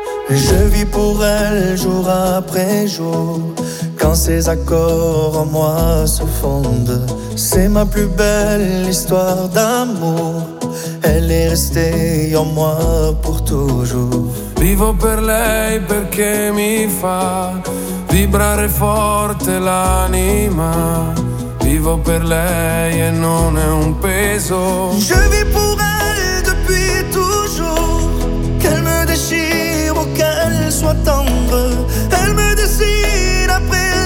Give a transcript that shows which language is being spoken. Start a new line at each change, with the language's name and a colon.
French: Je vis pour elle jour après jour. Quand ses accords en moi se fondent, c'est ma plus belle histoire d'amour. Elle est restée en moi pour toujours.
Italian: Vivo per lei perché mi fa vibrare forte l'anima. Vivo per lei e non è un peso.
French: Je vis pour elle depuis toujours. Qu'elle me déchire ou qu'elle soit tendre, elle me dessine après.